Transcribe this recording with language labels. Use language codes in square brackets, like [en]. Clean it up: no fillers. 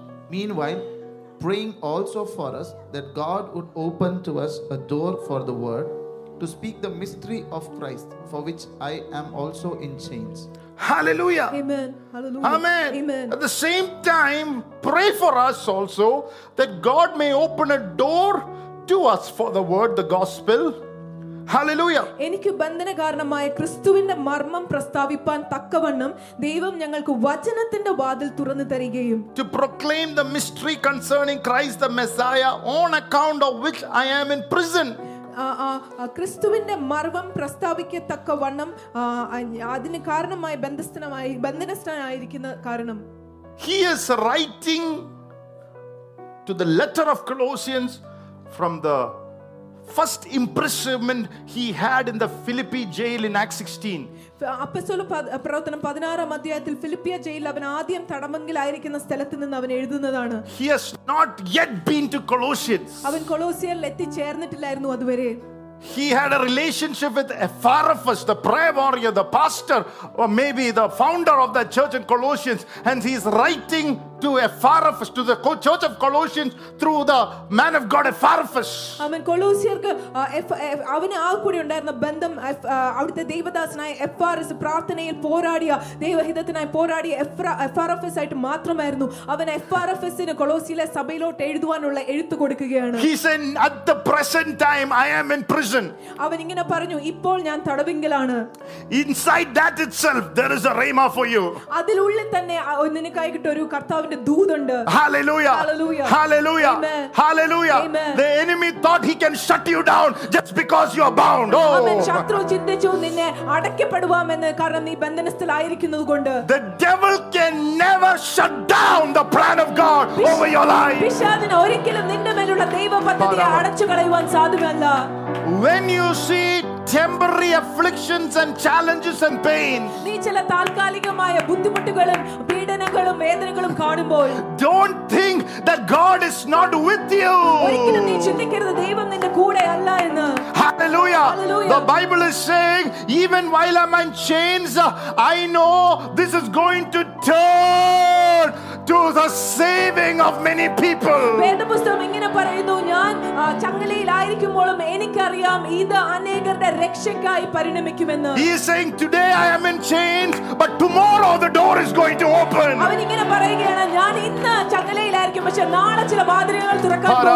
[en] Meanwhile, praying also for us that God would open to us a door for the word to speak the mystery of Christ, for which I am also in chains. Hallelujah. Amen. Hallelujah. Amen. Amen. At the same time, pray for us also that God may open a door to us for the word, the gospel. Hallelujah. [ml] എനിക്കു ബന്ധന കാരണമായ ക്രിസ്തുവിന്റെ മർമ്മം പ്രസ്താവിപ്പാൻ തക്കവണ്ണം ദൈവം ഞങ്ങൾക്ക് വചനത്തിന്റെ വാതിൽ തുറന്നു തരികയും. [en] To proclaim the mystery concerning Christ the Messiah, on account of which I am in prison. [ml] ക്രിസ്തുവിന്റെ മർവം പ്രസ്താവിക്കത്തക്ക വണ്ണം അതിന് കാരണമായി ബന്ധസ്ഥനമായി ബന്ധനസ്ഥനായിരിക്കുന്ന കാരണം. [en] He is writing to the letter of Colossians from the first imprisonment he had in the Philippi jail in Acts 16. [ml] അപ്പോസ്തല പ്രവർത്തനം 16-ാം അധ്യായത്തിൽ ഫിലിപ്പിയ ജയിലിൽ അവൻ ആദ്യം തടമ്പെങ്കിലായിരിക്കുന്ന സ്ഥലത്ത് നിന്ന് അവൻ എഴുതുന്നതാണ്. [en] He has not yet been to Colossians. [ml] അവൻ കൊളോസിയയിൽ എത്തിച്ചേർന്നിട്ടില്ലായിരുന്നു അതുവരെ. [en] He had a relationship with Epaphras, the prayer warrior, the pastor, or maybe the founder of the church in Colossians, and he is writing to Epaphras, to the church of Colossians, through the man of God Epaphras. Amen. [ml] കൊളോസിയർക്ക് അവനെ ആ കൂടി ഉണ്ടായിരുന്ന ബന്ധം അവിടുത്തെ ദൈവദാസനായ എഫാറസ് പ്രാർത്ഥനയിൽ പോരാടിയ ദൈവഹിതത്തിനായി പോരാടിയ എഫാറഫസ് ആയിട്ട് മാത്രമായിരുന്നു അവൻ എഫാറഫസിന് കൊളോസിയിലെ സഭയിലോട്ട് എഴുതുവാനുള്ള എഴുത്ത് കൊടുക്കുകയാണ്. [en] He said, at the present time I am in prison. [ml] അവൻ ഇങ്ങനെ പറഞ്ഞു, ഇപ്പോൾ ഞാൻ തടവിങ്കലാണ്. [en] Inside that itself there is a rhema for you. [ml] അതിലുള്ളിൽ തന്നെ നിനക്കായിട്ട് ഒരു കർത്താവിന്റെ ദൂതുണ്ട്. [en] Hallelujah. Hallelujah. Hallelujah. The enemy thought he can shut you down just because you are bound. [ml] അവൻ ശത്രു ചിന്തിച്ചു നിന്നെ അടക്കപ്പെടുവാമെന്ന് കാരണം നീ ബന്ധനസ്ഥലായിരിക്കുന്നതുകൊണ്ട്. [en] The devil can never shut down the plan of God over your life. [ml] പിശാചിനെ ഒരിക്കലും നിന്റെ മേലുള്ള ദൈവപദ്ധതിയെ അടച്ചുകളയുവാൻ സാധ്യമല്ല. [en] When you see temporary afflictions and challenges and pains, [ml] നീ ചില താൽക്കാലികമായി ബുദ്ധിമുട്ടുകളും പീഡനങ്ങളും വേദനകളും കാണുമ്പോൾ, [en] don't think that God is not with you. [ml] ഒരിക്കലും നീ ചിന്തിക്കരുത് ദൈവം നിന്റെ കൂടെ അല്ല എന്ന്. [en] Hallelujah. The Bible is saying, even while I'm in chains, I know this is going to turn to the saving of many people. [ml] വേദപുസ്തകം ഇങ്ങനെ പറയുന്നു, ഞാൻ ചങ്ങലയിലായിരിക്കുമ്പോഴും എനിക്കറിയാം ഇത് അനേകരുടെ രക്ഷയ്ക്കായി പരിണമിക്കുമെന്ന്. [en] He is saying, today I am in chains, but tomorrow the door is going to open. [ml] അവൻ ഇങ്ങനെ പറയുകയാണ്, ഞാൻ ഇന്ന് ചങ്ങലയിലായിരിക്കും, പക്ഷേ നാളെ ചില വാതിലുകൾ തുറക്കാൻ